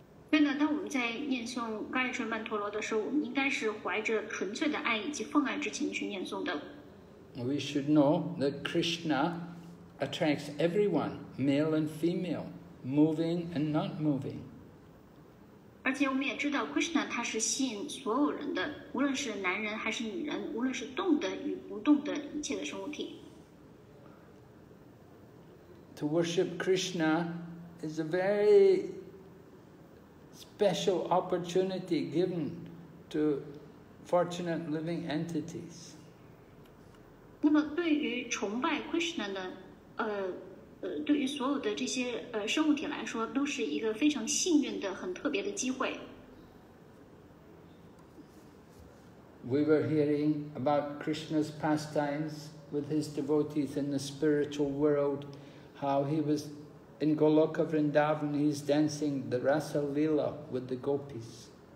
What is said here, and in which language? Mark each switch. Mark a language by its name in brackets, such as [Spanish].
[Chinese] 所以呢，当我们在念诵盖春曼陀罗的时候，我们应该是怀着纯粹的爱以及奉爱之情去念诵的。 [English] We should know that Krishna attracts everyone, male and female, moving and not moving. [Chinese] 而且我们也知道 Krishna 他是吸引所有人的，无论是男人还是女人，无论是动的与不动的一切的生物体。 [English] To worship Krishna is a very special opportunity given to fortunate living entities. [Chinese] 那么对于崇拜 Krishna 呢对于所有的这些生物体来说都是一个非常幸运的很特别的机会。 [English] We were hearing about Krishna's pastimes with his devotees in the spiritual world, how he was in Goloka Vrindavan, he's dancing the Rasa Lila with the gopis.